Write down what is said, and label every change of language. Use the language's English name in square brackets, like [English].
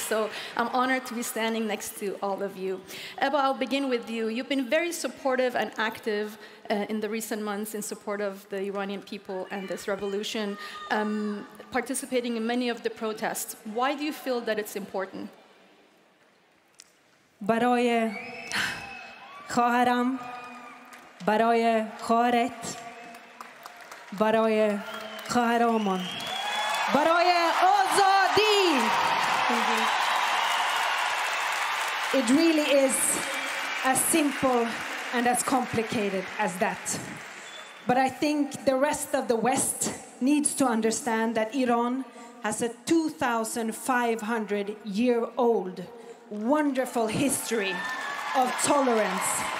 [English] So I'm honored to be standing next to all of you. Ebba, I'll begin with you. You've been very supportive and active in the recent months in support of the Iranian people and this revolution, participating in many of the protests. Why do you feel that it's important? [Persian] برای خواهرم، برای خواهرت، برای خواهرامان، برای آزادی. [English] It really is as simple and as complicated as that. But I think the rest of the West needs to understand that Iran has a 2,500-year-old wonderful history of tolerance.